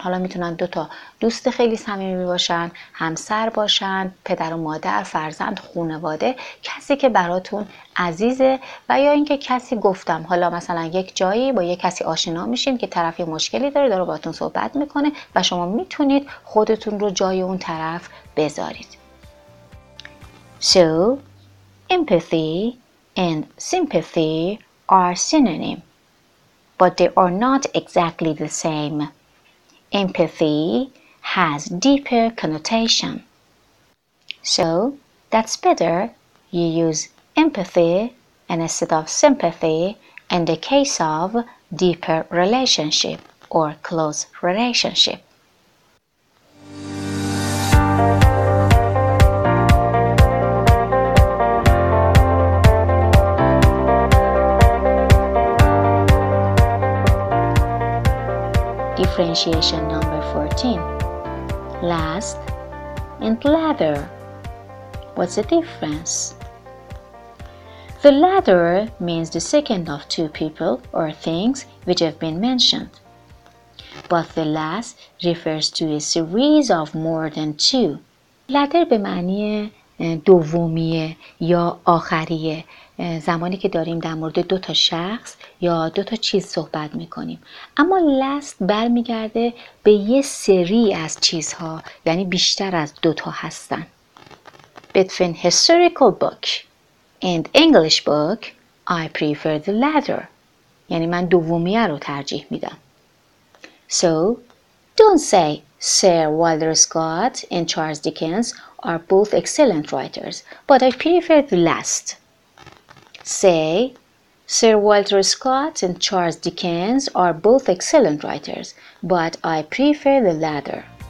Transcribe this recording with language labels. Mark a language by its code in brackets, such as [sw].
[fa] حالا میتونن دو تا دوست خیلی صمیمی باشن، همسر باشن، پدر و مادر، فرزند، خانواده، کسی که براتون عزیزه و یا اینکه کسی گفتم حالا مثلا یک جایی با یک کسی آشنا میشین که طرف یه مشکلی داره باهاتون صحبت میکنه و شما میتونید خودتون رو جای اون طرف بذارید. [en] So empathy and sympathy are synonym, but they are not exactly the same. Empathy has deeper connotation. So that's better you use empathy instead of sympathy in the case of deeper relationship or close relationship. Differentiation number 14. Last and ladder. What's the difference? The ladder means the second of two people or things which have been mentioned. But the last refers to a series of more than two. [fa] Ladder به معنی دومیه یا آخریه، زمانی که داریم در مورد دو تا شخص یا دو تا چیز صحبت میکنیم. اما last برمیگرده به یه سری از چیزها، یعنی بیشتر از دو تا هستن. [en] Between historical book and English book, I prefer the latter. [fa] یعنی من دومیه رو ترجیح میدم. [en] So, don't say Sir Walter Scott and Charles Dickens are both excellent writers, but I prefer the last. Say, Sir Walter Scott and Charles Dickens are both excellent writers, but I prefer the latter.